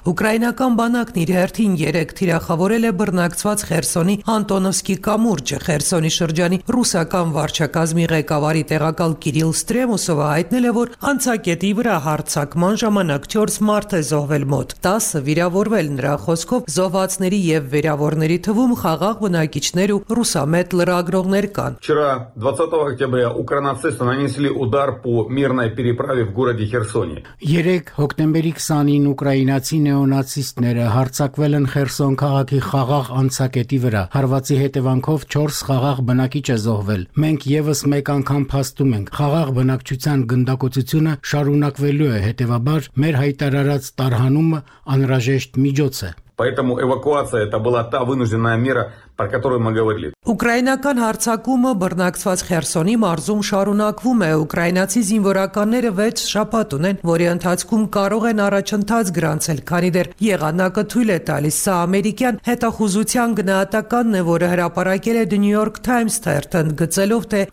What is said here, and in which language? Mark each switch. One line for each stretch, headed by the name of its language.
Armenian: Ուկրաինական բանակն իր հերթին 3 թիրախավորել է բռնակցված Խերսոնի Անտոնովսկի կամուրջը, Խերսոնի շրջանի ռուսական վարչակազմի ղեկավարի տեղակալ Կիրիլ Ստրեմուսովը հայտնել է, որ անցակետի վրա հարցակման ժամանակ 4 մարդ է զոհվել, մոտ 10 վիրավորվել։ Նրա խոսքով զոհվածների եւ վիրավորների թվում խաղաղ բնակիչներ ու ռուսամետ լրագրողներ կան։
Russian: Вчера 20 октября украинцы нанесли удар по мирной переправе в городе Херсоне.
Armenian: 3 հոկտեմբերի 29 ուկրաինացի նեոնացիստները հարձակվել են Խերսոն քաղաքի խաղաղ անցակետի վրա։ Հարվածի հետևանքով 4 խաղաղ բնակիչ է զոհվել։ Մենք եւս մեկ անգամ փաստում ենք, խաղաղ բնակչության գնդակոծությունը շարունակվելու է, հետեւաբար մեր հայտարարած տարհանումը անհրաժեշտ միջոց է։
Russian: Поэтому эвакуация это была та вынужденная мера, про которую мы говорили.
Armenian: Ուկրաինական հարձակումը բռնակցված Խերսոնի մարզում շարունակվում է։ Ուկրաինացի զինվորականները 6 շաբաթ ունեն, որի ընթացքում կարող են առաջընթաց գրանցել, քանի դեռ եղանակը թույլ է տալիս։ Սա ամերիկյան հետախուզության գնահատականն է, որը հրապարակել է The New York Times Thurston, գծելով, թե